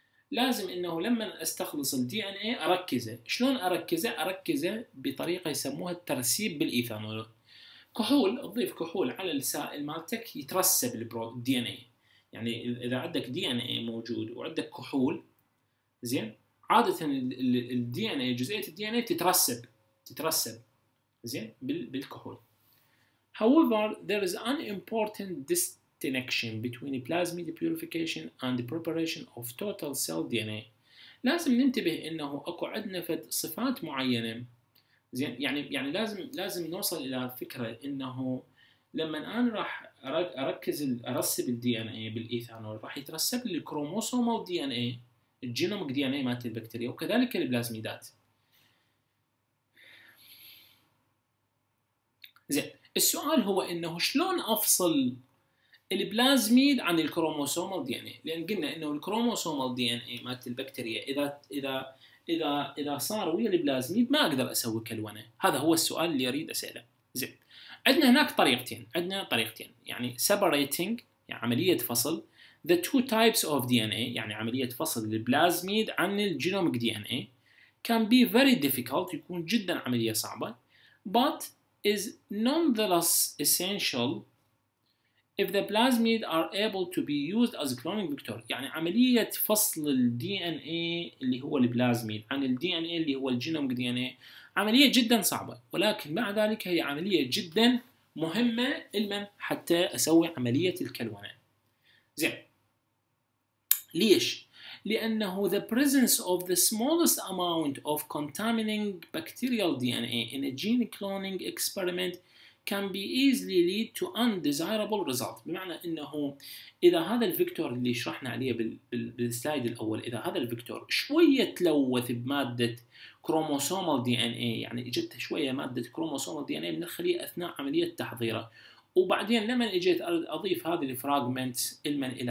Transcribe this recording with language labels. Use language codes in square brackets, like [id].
[ar] لازم انه لما استخلص الدي ان اي اركزه شلون اركزه بطريقه يسموها الترسيب بالايثانول كحول اضيف كحول على السائل مالتك يترسب الدي ان اي يعني اذا عندك دي ان اي موجود وعندك كحول زين عادة الـ DNA جزئية الـ DNA تترسب زين بالكحول. [en] However, there is an important distinction between plasmid purification and the preparation of total cell DNA. [ar] لازم ننتبه إنه أكو عندنا صفات معينة زين يعني لازم نوصل إلى فكرة إنه لما أنا راح أركز أرسب الـ DNA بالإيثانول راح يترسب الكروموسوم أو DNA. الجينومك دي ان اي مالت البكتيريا وكذلك البلازميدات. زين السؤال هو انه شلون افصل البلازميد عن الكروموسومال دي ان اي؟ لان قلنا انه الكروموسومال دي ان اي مالت البكتيريا اذا اذا اذا اذا صار ويا البلازميد ما اقدر اسوي كلونه، هذا هو السؤال اللي اريد اساله. زين عندنا هناك طريقتين يعني [en] separating [ar] يعني عمليه فصل [en] The two types of DNA [ar] يعني عملية فصل البلازميد عن الجينومك DNA [en] can be very difficult [ar] يكون جدا عملية صعبة [en] but is nonetheless essential if the plasmid are able to be used as cloning vector [ar] يعني عملية فصل الDNA اللي هو البلازميد عن الDNA اللي هو الجينومك DNA عملية جدا صعبة ولكن مع ذلك هي عملية جدا مهمة لمن حتى أسوي عملية الكلونة زين ليش؟ لأنه [en] the presence of the smallest amount of contaminating bacterial DNA in a gene cloning experiment can be easily lead to undesirable result. [ar] بمعنى أنه إذا هذا الفيكتور اللي شرحنا عليه بالسلايد الأول إذا هذا الفيكتور شوية تلوث بمادة كروموسومال DNA يعني إجت شوية مادة كروموسومال DNA من الخلية أثناء عملية تحضيره وبعدين لما إجيت أضيف هذه الفراغمنت المن